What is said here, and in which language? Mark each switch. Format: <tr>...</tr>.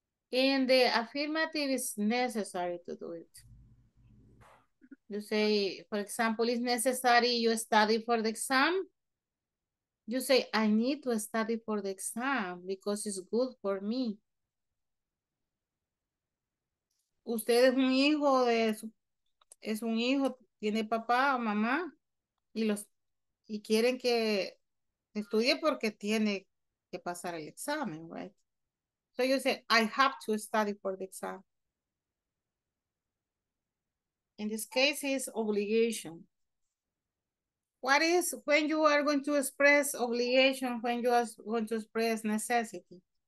<en>In the affirmative, it's necessary to do it. You say, for example, it's necessary you study for the exam. You say, I need to study for the exam because it's good for me.</en> <es>Usted es un hijo de su, es un hijo, tiene papá o mamá y los y quieren que estudie porque tiene que pasar el examen, right?</es> <en>So you say, I have to study for the exam. In this case, it's obligation. What is when you are going to express obligation, when you are going to express necessity?</en>